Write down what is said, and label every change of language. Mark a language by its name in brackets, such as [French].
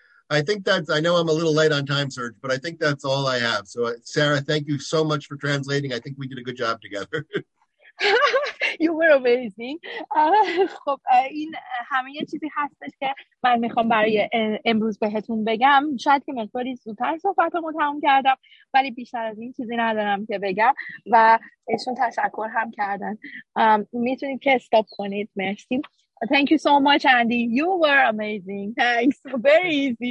[English] I think that's, I know I'm a little late on time, Serge, but I think that's all I have. So, Sarah, thank you so much for translating. I think we did a good job together. You were amazing. [Persian] خب این همه یه چیزی هستش که من میخوام برای امروز بهتون بگم. شاید که مقداری زودتر صحبتمو تموم کردم، ولی بیشتر از این چیزی ندارم که بگم و ایشون تشکر هم کردن. میتونید که استاپ کنید. مرسی. [English] Thank you so much, Andy. You were amazing. Thanks. Very easy.